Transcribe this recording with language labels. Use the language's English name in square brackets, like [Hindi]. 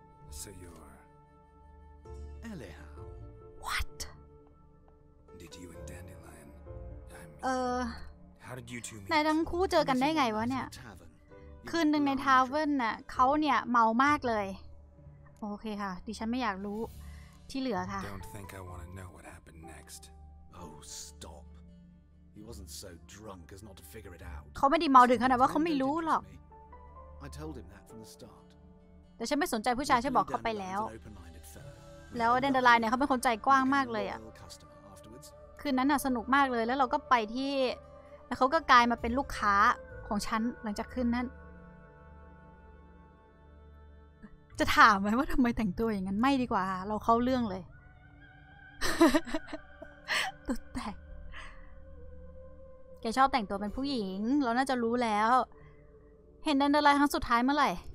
[English] So you're Eliha. What? Did you and Dandelion? How did you two meet? [Thai] ในทั้งคู่เจอกันได้ไงวะเนี่ยคืนหนึ่งในทาเวิร์นน่ะเขาเนี่ยเมามากเลยโอเคค่ะดิฉันไม่อยากรู้ที่เหลือค่ะ [English] Don't think I want to know what happened next. Oh, stop. He wasn't so drunk as not to figure it out. [Thai] เขาไม่ได้เมาถึงขนาดว่าเขาไม่รู้หรอก [English] I told him that from the start. [Thai] แต่ฉันไม่สนใจผู้ชายฉันบอกเขาไปแล้วแล้วเดนเดลายเนี่ยเขาเป็นคนใจกว้างมากเลยอ่ะคืนนั้นน่ะสนุกมากเลยแล้วเราก็ไปที่แล้วเขาก็กลายมาเป็นลูกค้าของฉันหลังจากคืนนั้นจะถามไหมว่าทำไมแต่งตัวอย่างนั้นไม่ดีกว่าเราเข้าเรื่องเลย ตุ๊ดแตกแกชอบแต่งตัวเป็นผู้หญิงเราน่าจะรู้แล้วเห็นเดนเดลายครั้งสุดท้ายเมื่อไหร่